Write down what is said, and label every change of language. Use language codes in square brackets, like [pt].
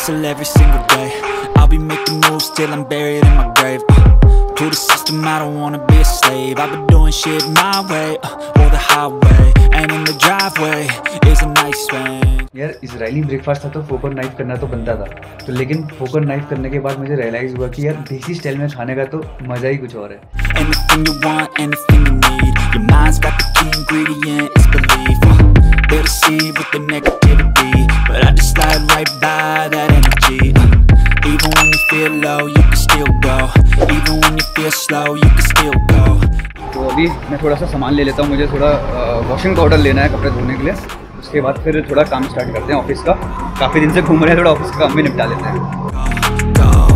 [en] Every single day I'll be making moves till I'm buried in my grave. To the system, I don't wanna be a slave. I've been doing shit my way, or the highway, and in the driveway is a nice swing. [hi] यार Israeli breakfast था तो फोकर knife करना तो बनता था। तो लेकिन फोकर knife करने के बाद मुझे रियलाइज हुआ कि यार देसी स्टाइल में खाने का तो मजा ही कुछ और है। [en] Anything you want, anything you need. Your mind's got the key ingredient, it's belief. Better see with the negativity, but I just slide right by that energy. Even when you feel low, you can still go. Even when you feel slow, you can still go. [hi] तो अभी मैं थोड़ा सा सामान ले लेता हूँ, मुझे थोड़ा वॉशिंग पाउडर लेना है कपड़े धोने के लिए। उसके बाद फिर थोड़ा काम स्टार्ट करते हैं ऑफिस का, काफी दिन से घूम रहे हैं, थोड़ा ऑफिस का काम भी निपटा लेते हैं।